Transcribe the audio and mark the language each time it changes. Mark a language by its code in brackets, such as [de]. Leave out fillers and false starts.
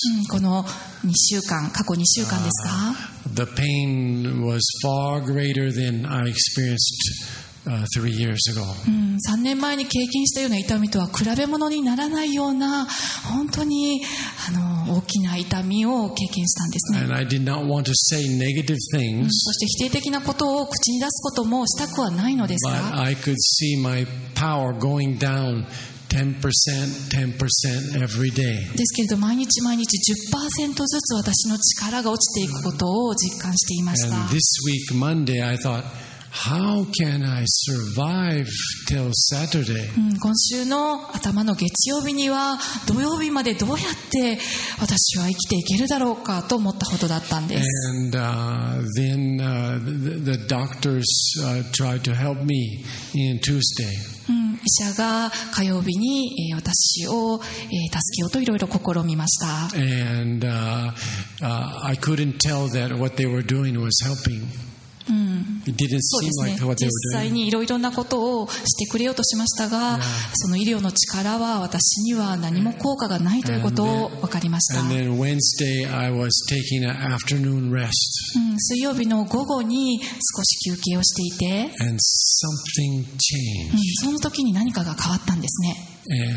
[ja] この2週間、過去2週間ですか、 [en] The pain was far greater than I experienced, 3 years ago. [ja] 3年前に経験したような痛みとは比べ物にならないような、本当に大きな痛みを経験したんですね。 [en] And I did not want to say negative things. [ja] そして否定的なことを口に出すこともしたくはないのですが、 [en] But I could see my power going down. 10%, 10% every day. [ja] ですけれど毎日毎日 10% ずつ私の力が落ちていくことを実感していました。 [en] And this week, Monday, I thought, how can I survive till Saturday? [ja] 今週の頭の月曜日には土曜日までどうやって私は生きていけるだろうかと思ったほどだったんです。 [en] And then the doctors tried to help me in Tuesday. [ja] 医者が火曜日に私を助けようといろいろ試みました。 [en] And, I couldn't tell that what they were doing was helping. It didn't seem like what they were doing. [ja] 実際にいろいろなことをしてくれようとしましたが、その医療の力は私には何も効果がないということを分かりました。 [en] And then Wednesday I was taking an afternoon rest. [ja] 水曜日の午後に少し休憩をしていて、 [en] And something changed. [ja] その時に何かが変わったんですね。